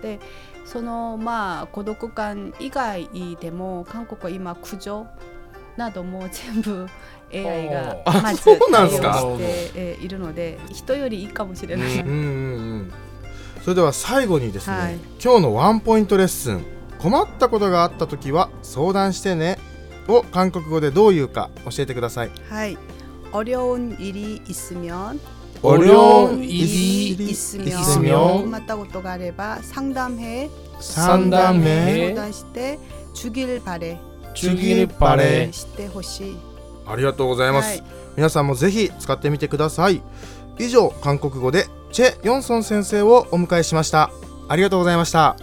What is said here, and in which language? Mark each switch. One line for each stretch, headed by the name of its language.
Japanese: で、孤独感以外でも韓国は今苦情なども全部 AI がまず利用しているので、人よりいいかもしれない。それでは最後にですね、はい、今日のワンポイントレッスン、困ったことがあったときは相談してねを韓国語でどういうか教えてください。
Korean: はい。어려운일이있으면 어려운일이있으면, 있으면
Japanese: 困ったことがあれば
Korean: 상담해 상담해
Japanese: 相談して
Korean: 주길바래 주길바래
Japanese: 知ってほしい。ありがとうございます、はい、皆さんもぜひ使ってみてください。以上、韓国語でチェ・ヨンソン先生をお迎えしました。ありがとうございました。